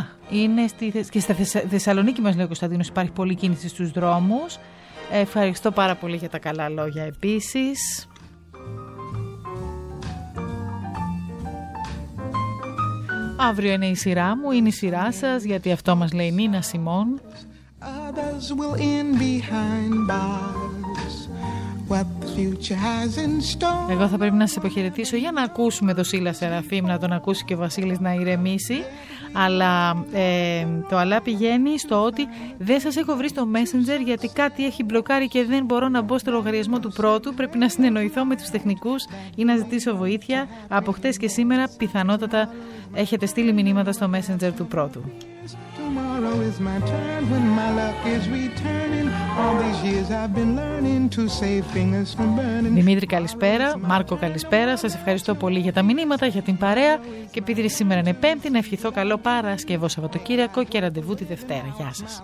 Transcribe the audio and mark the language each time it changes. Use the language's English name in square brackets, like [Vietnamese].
[Greek] Είναι στη Θεσσαλονίκη μας λέει ο Κωνσταντίνος, υπάρχει πολλή κίνηση στους δρόμους. Ευχαριστώ πάρα πολύ για τα καλά λόγια επίσης. Αύριο είναι η σειρά μου, είναι η σειρά σας, γιατί αυτό μας λέει Νίνα Σιμών. [English] Others will end behind bars. What the future has in store. [Greek] Εγώ θα πρέπει να σας αποχαιρετήσω για να ακούσουμε το Σίλα Σεραφείμ, να τον ακούσει και ο Βασίλης να ηρεμήσει. Αλλά το αλλά πηγαίνει στο ότι δεν σας έχω βρει στο Messenger γιατί κάτι έχει μπλοκάρει και δεν μπορώ να μπω στο λογαριασμό του πρώτου. Πρέπει να συνεννοηθώ με τους τεχνικούς ή να ζητήσω βοήθεια. Από χτες και σήμερα πιθανότατα έχετε στείλει μηνύματα στο Messenger του πρώτου. [English] Tomorrow is my turn when my luck is returning. All these years I've been learning to save fingers from burning. [Greek] Δημήτρη καλησπέρα, Μάρκο καλησπέρα. Σας ευχαριστώ πολύ για τα μηνύματα, για την παρέα. Και επειδή σήμερα είναι Πέμπτη, να ευχηθώ καλό Παρασκευό Σαββατοκύριακο και ραντεβού τη Δευτέρα. Γεια σας.